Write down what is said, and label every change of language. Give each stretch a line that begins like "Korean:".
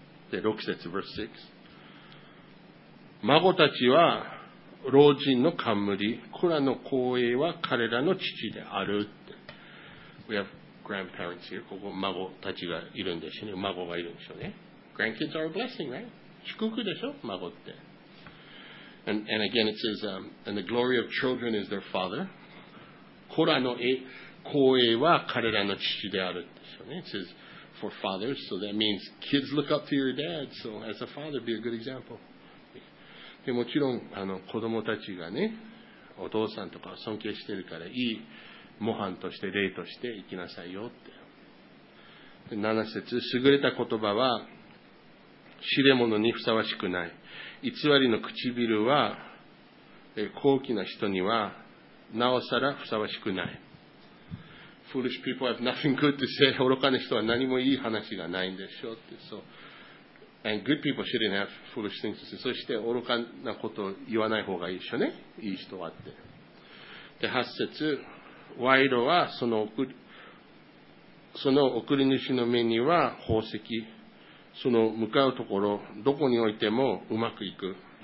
Japanese: で、6節、
English: verse 6。
Japanese: 孫たちは老人の冠、子らの光栄は彼らの父であるって。
English: We have grandparents here.
Japanese: ここ孫たちがいるんですよね。孫がいるんでしょうね。
English: Grandkids are a blessing, right?
Japanese: 祝福でしょ、孫って。
English: And again it says, and the glory of children is their father.
Japanese: 子らの光栄は彼らの父であるでしょうね。
English: It says for fathers, so that means kids look up to your dad. So as a father, be a good example.
Japanese: でもちろん子供たちがね、お父さんとかを尊敬してるからいい模範として例として生きなさいよって。で7節、優れた言葉は知れ者にふさわしくない。偽りの唇は高貴な人にはなおさらふさわしくない。
English: Foolish people have nothing good to say.
Japanese: 愚かな人は何もいい話がないんでしょうって。
English: So, and good people shouldn't have foolish things to say.
Japanese: そして愚かなことを言わない方がいいでしょうね。いい人はって。で、8節、賄賂はその送り主の目には宝石。その向かうところ、どこにおいてもうまくいく。